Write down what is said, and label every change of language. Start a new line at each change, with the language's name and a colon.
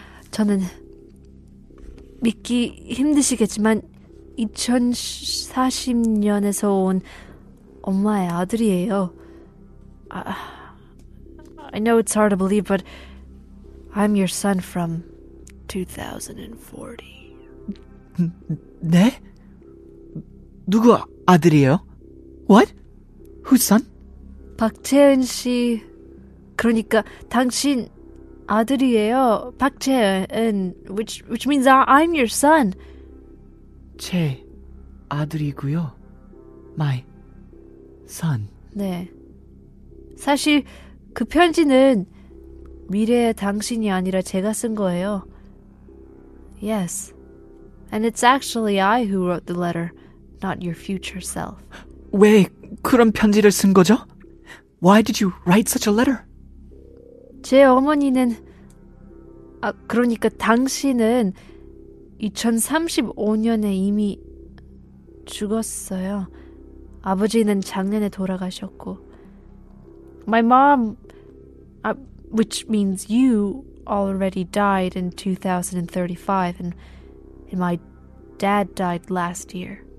Korean: 저는 믿기 힘드시겠지만 2040년에서 온 엄마의 아들이에요.
English: I know it's hard to believe, but I'm your son from 2040.
Korean: 네? 누구 아들이에요?
English: What? Whose son?
Korean: 박채은 씨. 그러니까 당신 아들이에요.
English: 박채은, which means I'm your son.
Korean: 채 아들이고요.
English: My son.
Korean: 네. 사실 그 편지는 미래의 당신이 아니라 제가 쓴 거예요.
English: Yes. And it's actually I who wrote the letter, not your future self.
Korean: 왜 그런 편지를 쓴 거죠?
English: Why did you write such a letter?
Korean: 제 어머니는, 아, 그러니까 당신은 2035년에 이미 죽었어요. 아버지는 작년에 돌아가셨고.
English: My mom, which means you, already died in 2035, and my dad died last year.